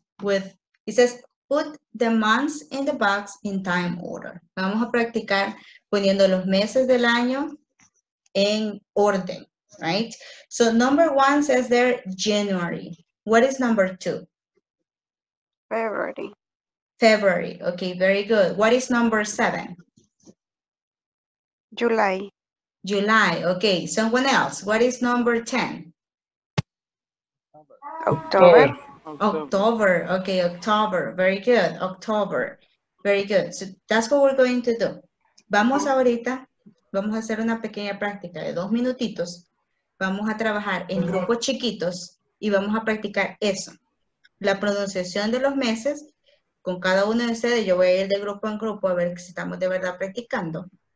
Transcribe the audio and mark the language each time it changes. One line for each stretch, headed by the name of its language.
English: With, it says, put the months in the box in time order.
Spanish: Vamos a practicar poniendo los meses del año en orden.
English: Right? So number one says there January. What is number two? February. February. Okay, very good. What is number seven? July. July. Okay, someone else. What is number 10? October. October. Okay, October. Very good. October. Very good. So that's what we're going to do.
Spanish: Vamos ahorita, vamos a hacer una pequeña práctica de 2 minutitos. Vamos a trabajar en grupos chiquitos y vamos a practicar eso. La pronunciación de los meses, con cada uno de ustedes, yo voy a ir de grupo en grupo a ver si estamos de verdad practicando.